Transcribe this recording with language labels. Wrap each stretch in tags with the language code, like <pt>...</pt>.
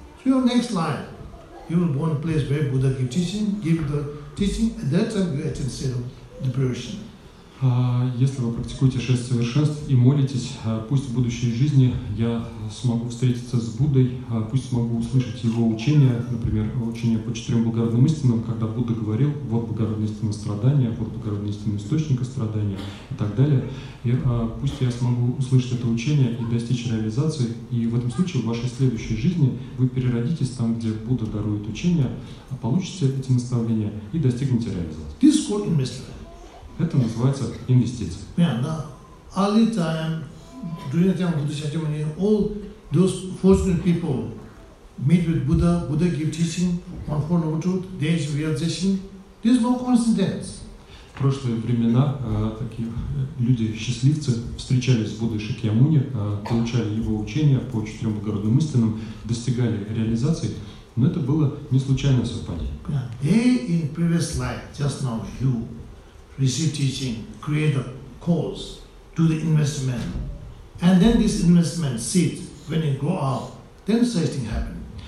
<en>So your next life, you will born in a place where Buddha give teaching, at that time you attain state of liberation.</en> <ru>Если вы практикуете шесть совершенств и молитесь, пусть в будущей жизни я смогу встретиться с Буддой, пусть смогу услышать его учение, например, учение по четырем благородным истинам, когда Будда говорил, вот благородные истины страдания, вот благородные истины источника страдания и так далее. И пусть я смогу услышать это учение и достичь реализации, и в этом случае в вашей следующей жизни вы переродитесь там, где Будда дарует учение, получите эти наставления и достигнете реализации. Это называется инвестиция.</ru> <en>Yeah, now, early time, during the time of Buddha Shakyamuni, all those fortunate people meet with Buddha, Buddha give teaching on Four Noble Truths, they achieve realization. This is no coincidence.</en> <ru>В прошлые времена такие люди, счастливцы, встречались с Буддой Шакьямуни, получали его учения по четырем благородным истинам, достигали реализации. Но это было не случайное совпадение.</ru> <en>Yeah, they in previous life, just now you, receive teaching, create a course, do the investment, and then this investment seed, when it grow up, then such thing happen.</en>